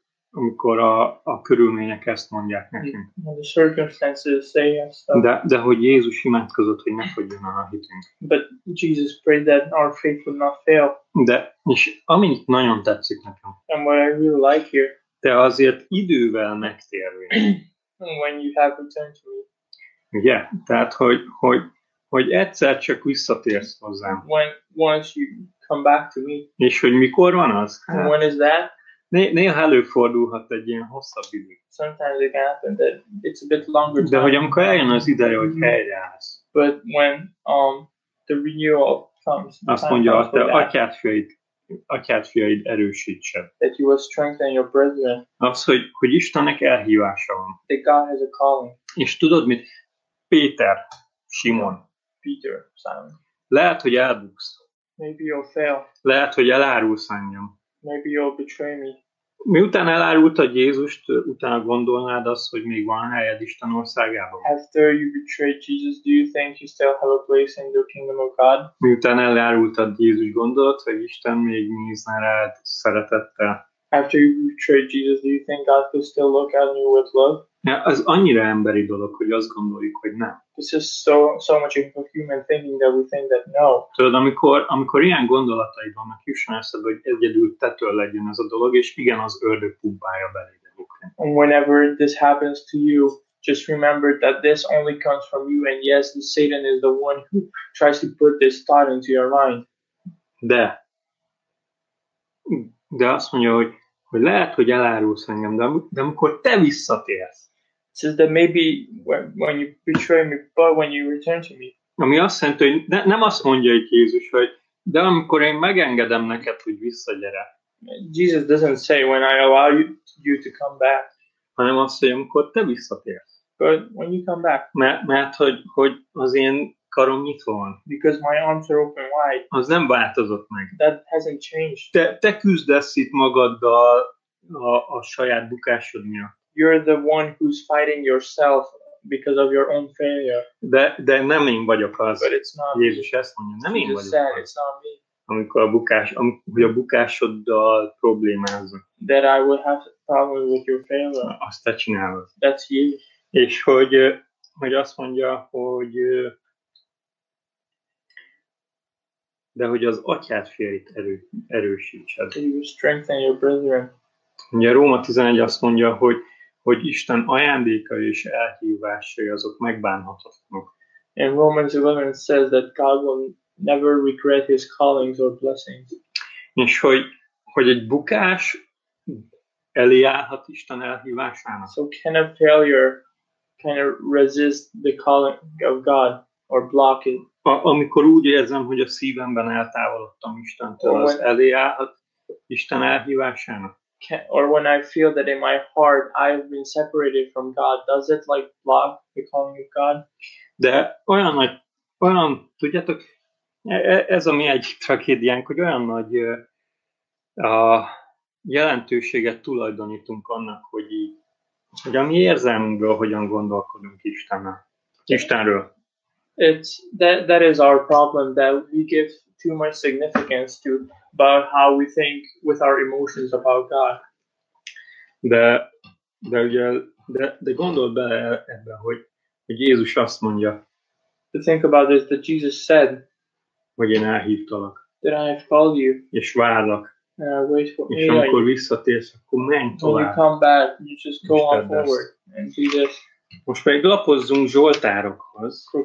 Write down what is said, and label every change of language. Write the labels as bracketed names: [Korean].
[Hungarian] Amikor a körülmények ezt mondják nekünk. [English] The circumstances say yes. [Hungarian] De hogy Jézus imádkozott, hogy ne fogjon el a hitünk. [English] But Jesus prayed that our faith would not fail. [Hungarian] De, és amit nagyon tetszik nekem. [English] And what I really like here. [Hungarian] Te azért idővel megtérvén. [English] When you have returned to me. [Hungarian] Yeah, tehát hogy egyszer csak visszatérsz hozzám. [English] When once you come back to me. [Hungarian] És hogy mikor van az? [English] And when is that? [Hungarian] Néha előfordulhat egy ilyen hosszabb idő. [English] Sometimes it can happen that it's a bit longer time. [Hungarian] De hogy amikor eljön az ideje, hogy helyreállsz. [English] But when the renewal comes. [Hungarian] Azt mondja, hogy te atyádfiaid erősítsed. [English] That you will strengthen your brethren. [Hungarian] Az, hogy Istennek elhívása van. [English] That God has a calling. [Hungarian] És tudod mit? Péter, Simon. [English] Peter, Simon. [Hungarian] Lehet, hogy elbuksz. [English] Maybe you'll fail. [Hungarian] Lehet, hogy elárulsz engem. [English] Maybe you'll betray me. [Hungarian] Miután elárultad Jézust, utána gondolnád azt, hogy még van helyed Isten országában? [English] After you betrayed Jesus, do you think you still have a place in the kingdom of God? [Hungarian] Miután elárultad Jézus, gondolod, hogy Isten még nézne rád szeretettel? [English] After you betrayed Jesus, do you think God could still look at you with love? [Hungarian] Ja, az annyira emberi dolog, hogy azt gondoljuk, hogy nem. [English] This is so much a human thinking that we think that no. [Hungarian] Tudod, amikor ilyen gondolataid vannak, jusson eszedbe, hogy egyedül tetől legyen ez a dolog, és igen, az ördög pumpálja beléd a bukrén. [English] And whenever this happens to you, just remember that this only comes from you, and yes, Satan is the one who tries to put this thought into your mind. [Hungarian] De azt mondja, hogy lehet, hogy elárulsz engem, de amikor te visszatérsz. [English] It says that maybe when you betray me, but when you return to me. [Hungarian] Ami azt jelenti, hogy nem azt mondja itt Jézus, hogy de amikor én megengedem neked, hogy visszagyere. [English] Jesus doesn't say when I allow you to come back. [Hungarian] Hanem azt mondja, amikor te visszatérsz. [English] But when you come back. [Hungarian] Mert hogy az én karom nyitva van. [English] Because my arms are open wide. [Hungarian] Az nem változott meg. [English] That hasn't changed. [Hungarian] Te küzdesz itt magaddal a saját bukásod miatt. [English] You're the one who's fighting yourself because of your own failure. [Hungarian] De nem én vagyok az. [English] But it's not [Hungarian] Jézus ezt mondja, nem én vagyok [English] said, [Hungarian] az. [English] It's not me. [Hungarian] Amikor a bukásoddal problémázok. [English] That I will have family with your family. [Hungarian] Azt te csinálod. [English] That's you. [Hungarian] És hogy azt mondja, hogy de hogy az atyád fiait erősítsed. [English] You strengthen your brethren. [Hungarian] Ugye Róma 11 azt mondja, hogy Isten ajándékai és elhívásai azok megbánhatatlanok. [English] In Romans 11 says that God will never regret his callings or blessings. [Hungarian] És hogy egy bukás elé állhat Isten elhívásának. [English] So can a failure kind of resist the calling of God or block it? [Hungarian] Amikor úgy érzem, hogy a szívemben eltávolodtam Istentől, az elé állhat Isten elhívásának. [English] Or when I feel that in my heart I have been separated from God, does it like block the calling of God? [Hungarian] De olyan nagy, olyan, tudjátok, ez a mi egy tragédiánk, hogy olyan nagy a jelentőséget tulajdonítunk annak, hogy a mi érzelmünkből hogyan gondolkodunk Istenről. [English] It's that is our problem, that we give too much significance to about how we think with our emotions about God. [Hungarian] De gondold bele ebbe, hogy Jézus azt mondja. [English] To think about this, that Jesus said, [Hungarian] hogy én elhívtalak. [English] That I have called you. [Hungarian] És várlak. [English] And I wait for you. [Hungarian] És amikor visszatérsz, akkor menj tovább. [English] When you come back, you just go on forward. And Jesus. [Hungarian] Most pedig lapozzunk Zsoltárokhoz.